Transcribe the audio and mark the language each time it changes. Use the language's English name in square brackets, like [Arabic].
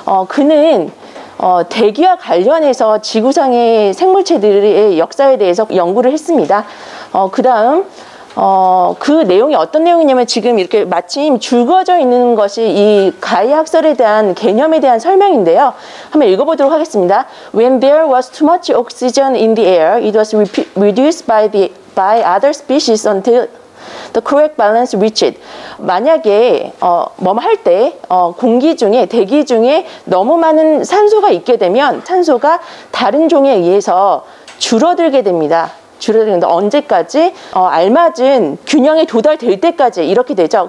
[Korean] 그는 대기와 관련해서 지구상의 생물체들의 역사에 대해서 연구를 했습니다. 그다음 그 내용이 어떤 내용이냐면 지금 이렇게 마침 줄거져 있는 것이 이 가이아 학설에 대한 개념에 대한 설명인데요. 한번 읽어보도록 하겠습니다. [English] When there was too much oxygen in the air, it was reduced by other species until the correct balance reached. [Korean] 만약에 뭐뭐 할 때 공기 중에 대기 중에 너무 많은 산소가 있게 되면 산소가 다른 종에 의해서 줄어들게 됩니다. 줄어들는데 언제까지 알맞은 균형에 도달될 때까지 이렇게 되죠.